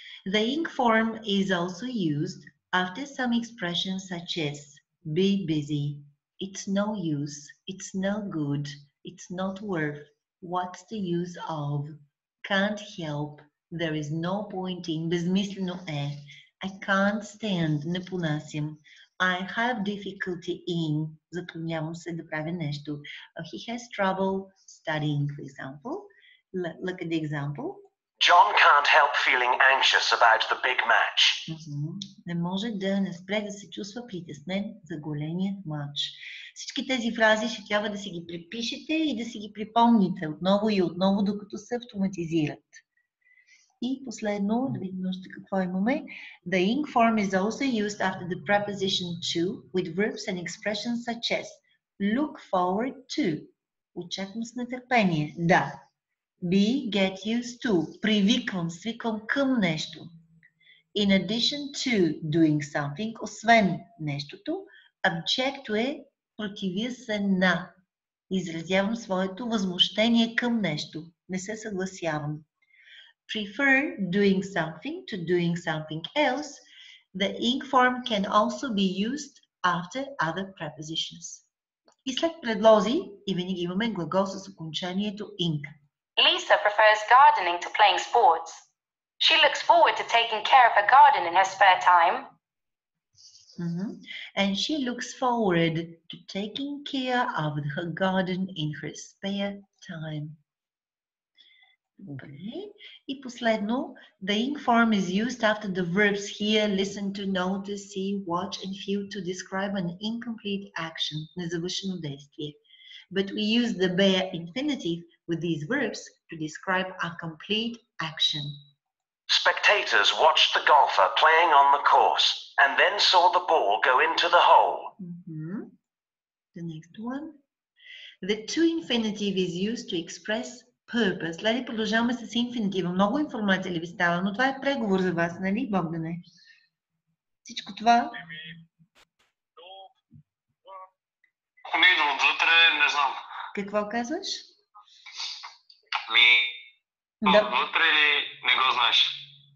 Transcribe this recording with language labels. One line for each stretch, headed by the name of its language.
English: The ing form is also used after some expressions such as be busy, it's no use, it's no good, it's not worth, what's the use of, can't help, there is no point in,
Bulgarian: безмислено е.
English: I can't stand,
Bulgarian: не понасим.
English: I have difficulty in,
Bulgarian: затруднявам се да правя нещо.
English: He has trouble studying, for example. Look at the example. John can't help feeling anxious about the big match.
Bulgarian: Mm-hmm. Не може да не спре да се чувства притеснен за големия матч. всички тези фрази ще трябва да си ги припишете и да си ги припомните отново и отново, докато се автоматизират. И последно, да видим още какво имаме.
English: The ing form is also used after the preposition to with verbs and expressions such as look forward to.
Bulgarian: Очаквам с нетърпение. Да.
English: Be, get used to.
Bulgarian: Привиквам, свиквам към нещо.
English: In addition to doing something,
Bulgarian: освен нещото, object е противя се на. Изразявам своето възмущение към нещо. Не се съгласявам.
English: Prefer doing something to doing something else. The ing form can also be used after other prepositions.
Bulgarian: И след предлози, и винаги имаме глагол с окончанието ing.
English: Lisa prefers gardening to playing sports. She looks forward to taking care of her garden in her spare time. Mm-hmm. And she looks forward to taking care of her garden in her spare time. Okay. И последно, the ing form is used after the verbs hear, listen to, notice, see, watch and feel to describe an incomplete action,
Bulgarian: незавършено действие.
English: But we use the bare infinitive with these verbs to describe a complete action. Spectators watched the golfer playing on the course and then saw the ball go into the hole. Mm-hmm. The next one. The two infinitive is used to express purpose.
Bulgarian: Леди, продължаваме с инфинитива. Много информация ли ви става, но това е преговор за вас, нали, Богдане? Всичко това... Ако не идва отвътре, не знам. Какво казваш? Ми, да. Отвътре ли не го знаеш?